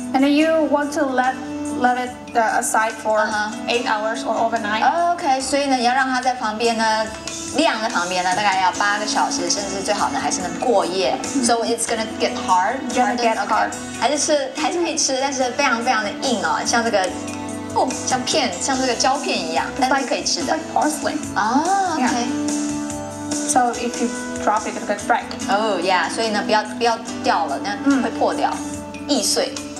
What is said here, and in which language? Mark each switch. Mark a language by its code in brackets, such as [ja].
[en] And then you want to let it aside for 8 hours or overnight. Okay. [zh] 所以呢，你要让它在旁边呢，晾在旁边呢，大概要8个小时，甚至最好呢还是能过夜。 [en] So it's gonna get hard. Gonna get hard. [zh] 还是可以吃，但是非常非常的硬哦，像这个。哦，像片，像这个胶片一样，但是可以吃的。 [en] Like porcelain. Okay. Yeah. So if you drop it, it could break. Oh yeah. [zh] 所以呢，不要掉了，那会破掉，易碎。